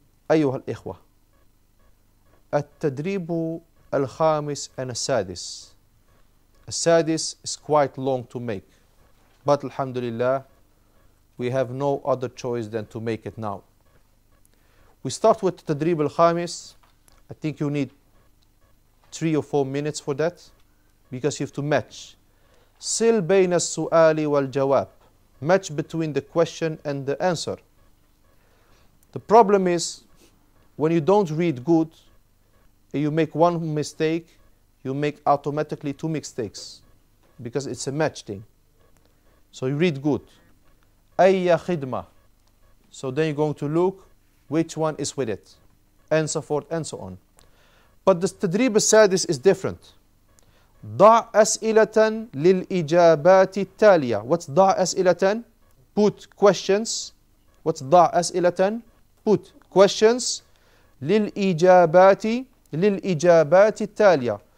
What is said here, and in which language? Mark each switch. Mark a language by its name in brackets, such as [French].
[Arabic] أيها الإخوة، التدريب الخامس [English] and [Arabic] السادس. [English] السادس is quite long to make, but [Arabic] الحمد لله, [English] we have no other choice than to make it now. We start with [Arabic] التدريب الخامس. [English] I think you need 3 or 4 minutes for that, because you have to match. [Arabic] سل بين السؤال والجواب. [English] Match between the question and the answer. The problem is, when you don't read good, you make one mistake, you make automatically two mistakes, because it's a match thing. So you read good. [Arabic] أي خدمة. [English] So then you're going to look which one is with it, and so forth and so on. But the [Arabic] تدريب السادس [English] is different. [Arabic] ضع أسئلة للإجابات التالية. [English] What's [Arabic] ضع أسئلة؟ [English] Put questions. What's [Arabic] ضع أسئلة؟ [English] Put questions [Arabic] للإجابات التالية.